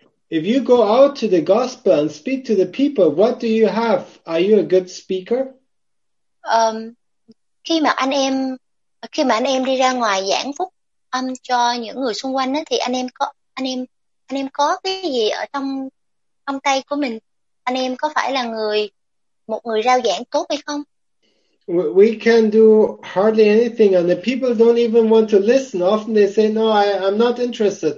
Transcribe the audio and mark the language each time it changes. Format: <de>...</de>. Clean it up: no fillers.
<en>If you go out to the gospel and speak to the people, what do you have? Are you a good speaker?</en> <vi>Khi mà anh em đi ra ngoài giảng phúc âm cho những người xung quanh đó, thì anh em có cái gì ở trong tay của mình? Anh em có phải là một người rao giảng tốt hay không?</vi> <en>We can do hardly anything and the people don't even want to listen. Often they say, no, I'm not interested.</en>